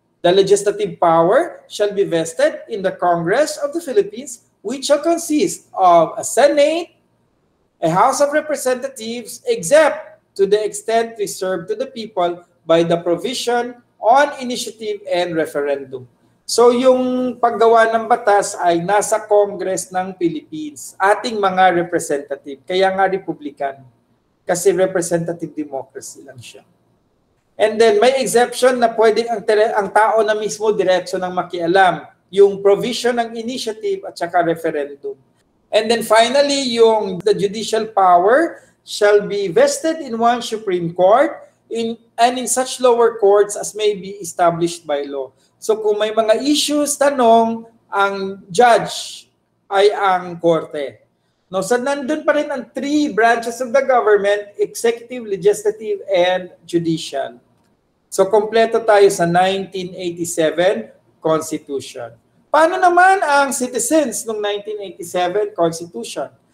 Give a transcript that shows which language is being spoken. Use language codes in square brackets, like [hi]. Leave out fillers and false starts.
[en] The legislative power shall be vested in the Congress of the Philippines, which shall consist of a Senate, a House of Representatives, except to the extent reserved to the people by the provision on initiative and referendum. [tl] So yung paggawa ng batas ay nasa Congress ng Philippines, ating mga representative, kaya nga Republican, kasi representative democracy lang siya. And then may exception na pwede ang tao na mismo diretso nang makialam, yung provision ng initiative at saka referendum. [en] And then finally, yung the judicial power shall be vested in one Supreme Court in such lower courts as may be established by law. [tl] So kung may mga issues, tanong, ang judge ay ang korte. [en] No, so [tl] nandun pa rin ang [en] three branches of the government, executive, legislative, and judicial. [tl] So kompleto tayo sa 1987 Constitution. Paano naman ang citizens ng 1987 Constitution?